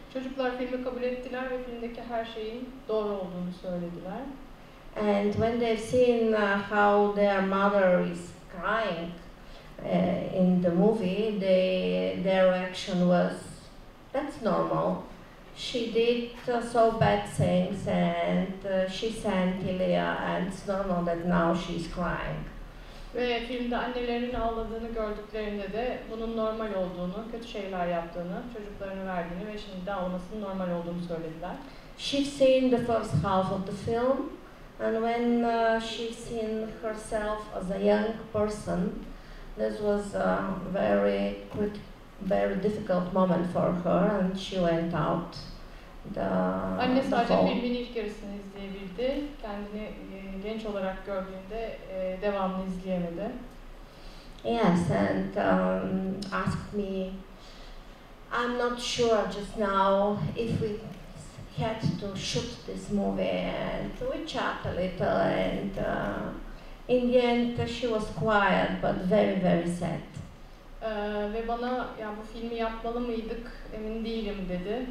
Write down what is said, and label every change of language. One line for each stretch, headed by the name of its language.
Turkish: Çocuklar filmi kabul ettiler ve filmdeki her şeyin doğru olduğunu söylediler.
English: And when they've seen how their mother is crying in the movie, their reaction was, that's normal. She did so bad things, and she sent Ilya, and it's normal that now she's crying.
Turkish: Ve filmde annelerinin ağladığını gördüklerinde de bunun normal olduğunu, kötü şeyler yaptığını, çocuklarını verdiğini ve şimdi de ağlamasının normal olduğunu söylediler.
English: She's seen the first half of the film, and when she's seen herself as a young person, this was a very quick, very difficult moment for her, and she went out
Turkish: Anne sadece filmin ilk yarısını izleyebildi. Kendini genç olarak gördüğünde devamlı izleyemedi.
English: Yes, and asked me, I'm not sure just now if we had to shoot this movie, and we chat a little, and in the end she was quiet but very very sad.
Turkish: Ve bana yani bu filmi yapmalı mıydık emin değilim dedi.